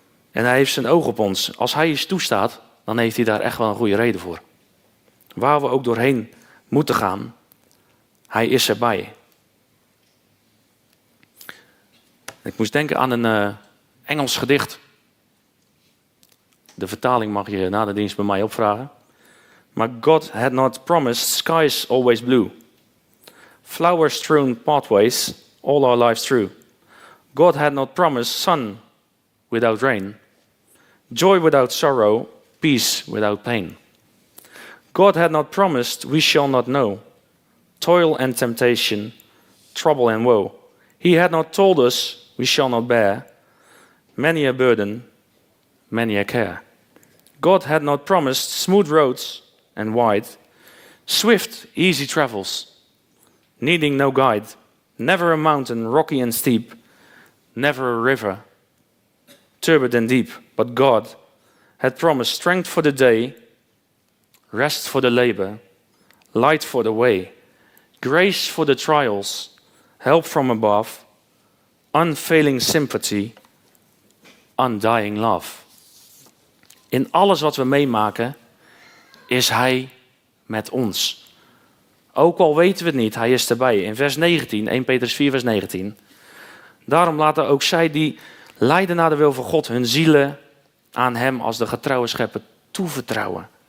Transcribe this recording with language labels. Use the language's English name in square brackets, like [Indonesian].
[Dutch] En hij heeft zijn oog op ons. Als hij iets toestaat, dan heeft hij daar echt wel een goede reden voor. Waar we ook doorheen moeten gaan, hij is erbij. Ik moest denken aan een Engels gedicht. De vertaling mag je na de dienst bij mij opvragen. Maar [English] God had not promised skies always blue. Flowers strewn pathways all our lives through. God had not promised sun without rain. Joy without sorrow, peace without pain. God had not promised we shall not know toil and temptation, trouble and woe. He had not told us we shall not bear many a burden, many a care. God had not promised smooth roads and wide, swift, easy travels, needing no guide, never a mountain rocky and steep, never a river turbid and deep, but God had promised strength for the day, rest for the labor, light for the way, grace for the trials, help from above, unfailing sympathy, undying love. [Dutch] In alles wat we meemaken, is Hij met ons. Ook al weten we het niet, Hij is erbij. In vers 19, 1 Petrus 4, vers 19. Daarom laten ook zij die lijden naar de wil van God hun zielen aan Hem als de getrouwe schepper toevertrouwen.